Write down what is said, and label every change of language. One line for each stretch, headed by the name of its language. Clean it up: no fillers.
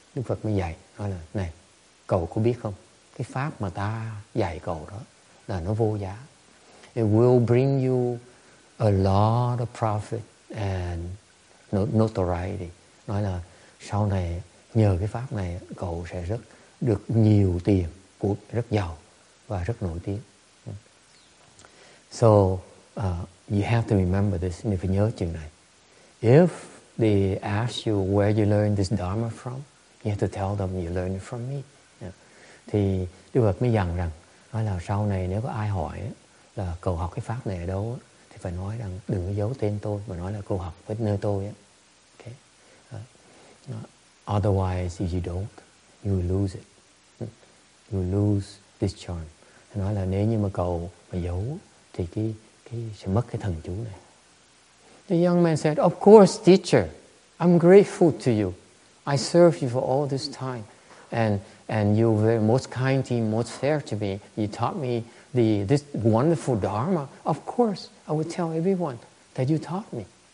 Vietnamese: Đức Phật mới dạy, nói là, này, cậu có biết không? Cái pháp mà ta dạy cậu đó là nó vô giá.
English: It will bring you a lot of profit and notoriety.
Vietnamese: Nói là sau này nhờ cái pháp này cậu sẽ rất được nhiều tiền, rất giàu và rất nổi tiếng.
English: So you have to remember this,
Vietnamese: nên phải nhớ chuyện này.
English: If they ask you where you learn this Dharma from, you have to tell them you learn it from me. Yeah.
Vietnamese: Thì Đức Phật mới dặn rằng, nói là sau này nếu có ai hỏi là cậu học cái pháp này ở đâu, thì phải nói rằng đừng có giấu tên tôi, mà nói là cậu học với nơi tôi.
English: Okay. Otherwise, if you don't, you will lose it. You will lose this charm.
Vietnamese: Thì nói là nếu như mà cậu mà giấu, thì cái sẽ mất cái thần chú này.
English: The young man said, of course, teacher, I'm grateful to you. I serve you for all this time. and you were most kind to me, most fair to me. You taught me this wonderful Dharma. Of course, I would tell everyone that you taught me.